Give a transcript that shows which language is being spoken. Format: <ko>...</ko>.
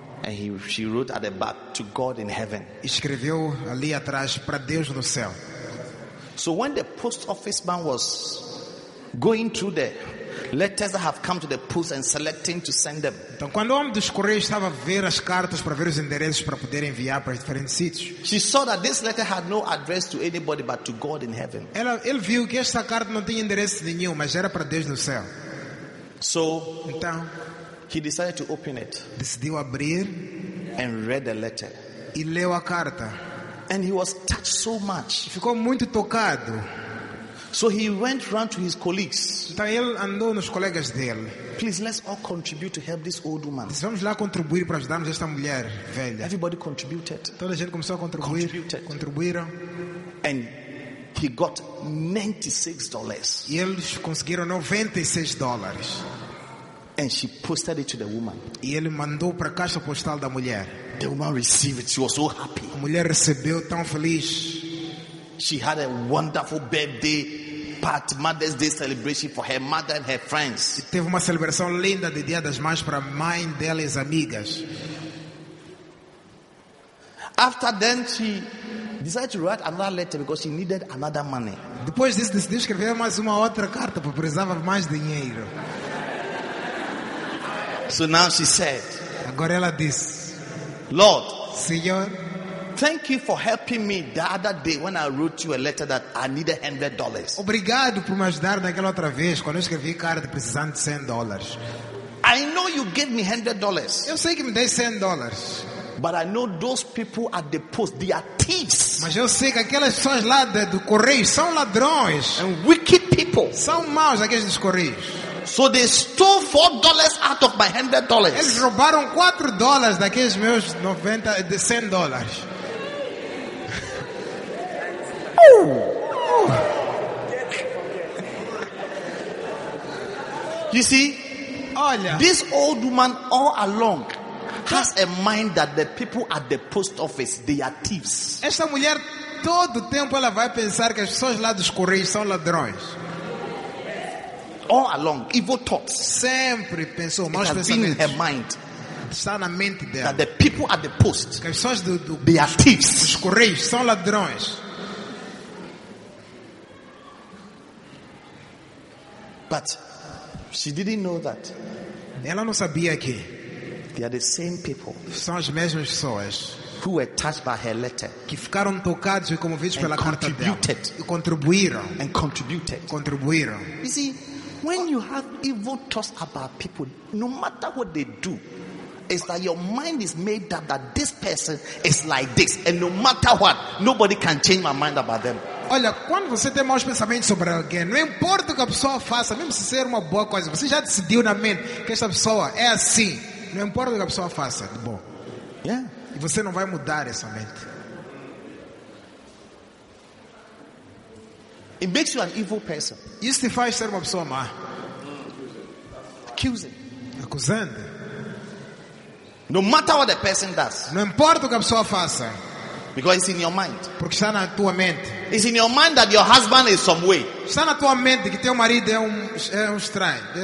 <en>And she wrote at the back to God in heaven.</en> <pt>Escreveu ali atrás para Deus no céu.</pt> <en>So when the post office man was going through the letters that have come to the post and selecting to send them.</en> <pt>Então, quando o homem dos correios estava a ver as cartas para ver os endereços para poder enviar para diferentes sítios.</pt> <en>She saw that this letter had no address to anybody but to God in heaven.</en> <pt>Ele viu que esta carta não tinha endereço nenhum, mas era para Deus no céu.</pt> <en>So,</en> <pt>então,</pt> <en>he decided to open it.</en> <pt>Decidiu abrir</pt> <en>and read the letter.</en> <pt>E leu a carta.</pt> <en>And he was touched so much.</en> <pt>Ficou muito tocado.</pt> <en>So he went round to his colleagues.</en> <pt>Então ele andou nos colegas dele.</pt> <en>Please, let's all contribute to help this old woman.</en> <pt>Vamos lá contribuir para ajudarmos esta mulher velha.</pt> <en>Everybody contributed.</en> <pt>Toda a gente começou a contribuir.</pt> <en>Contributed.</en> <pt>Contribuíram.</pt> <en>And he got $96.</en> <pt>E eles conseguiram $96.</pt> <en>And she posted it to the woman.</en> <pt>E ele mandou para a caixa postal da mulher.</pt> <en>The woman received it. She was so happy.</en> <pt>A mulher recebeu tão feliz.</pt> <en>She had a wonderful birthday party, Mother's Day celebration for her mother and her friends.</en> <pt>Teve uma celebração linda de Dia das Mães para a mãe dela e as amigas.</pt> <en>After then, she decided to write another letter because she needed another money.</en> <pt>Depois disso, decidiu escrever mais uma outra carta porque precisava mais dinheiro.</pt> <en>So now she said,</en> <pt>agora ela disse,</pt> <en>Lord,</en> <pt>Senhor,</pt> <en>thank you for helping me the other day when I wrote you a letter that I needed $100.</en> <pt>Obrigado por me ajudar naquela outra vez quando eu escrevi carta precisando de $100.</pt> <en>I know you gave me $100.</en> <pt>Eu sei que me deu $100.</pt> <en>But I know those people at the post, they are thieves.</en> <pt>Mas eu sei que aquelas pessoas lá do correio são ladrões.</pt> <en>And wicked people.</en> <pt>São maus aqueles dos correios.</pt> <en>So they stole $4 out of my $100.</en> <pt>Eles roubaram $4 daqueles meus $100.</pt> <en>You see,</en> <pt>olha,</pt> <en>this old woman all along has a mind that the people at the post office, they are thieves.</en> <pt>Esta mulher todo tempo ela vai pensar que as pessoas lá dos correios são ladrões.</pt> <en>All along, evil thoughts.</en> <pt>Sempre pensou,</pt> <en>it has been in her mind.</en> <pt>Está na mente dela.</pt> <en>That the people at the post,</en> <pt>que as pessoas do</pt> <en>they are thieves.</en> <pt>Os correios são ladrões.</pt> <en>But she didn't know that.</en> <pt>Ela não sabia que</pt> <en>they are the same people.</en> <pt>São as mesmas pessoas</pt> <en>who were touched by her letter.</en> <pt>Que ficaram tocados e comovidos pela carta dela.</pt> <en>Contributed.</en> <pt>E contribuíram. Contribuíram.</pt> <en>You see, when you have evil thoughts about people, no matter what they do, it's that your mind is made up that this person is like this, and no matter what, nobody can change my mind about them.</en> <pt>Olha, quando você tem maus pensamentos sobre alguém, não importa o que a pessoa faça, mesmo se ser uma boa coisa, você já decidiu na mente que essa pessoa é assim. Não importa o que a pessoa faça, de bom.</pt> <en>Yeah.</en> <pt>E você não vai mudar essa mente.</pt> <en>It makes you an evil person.</en> <pt>Isso te faz ser uma pessoa má.</pt> <en>Accusing.</en> <pt>Acusando.</pt> <en>No matter what the person does.</en> <pt>Não importa o que a pessoa faça.</pt> <en>Because it's in your mind.</en> <pt>Porque está na tua mente.</pt> <en>It's in your mind that your husband is some way.</en> <pt>Está na tua mente que teu marido é um estranho.</pt>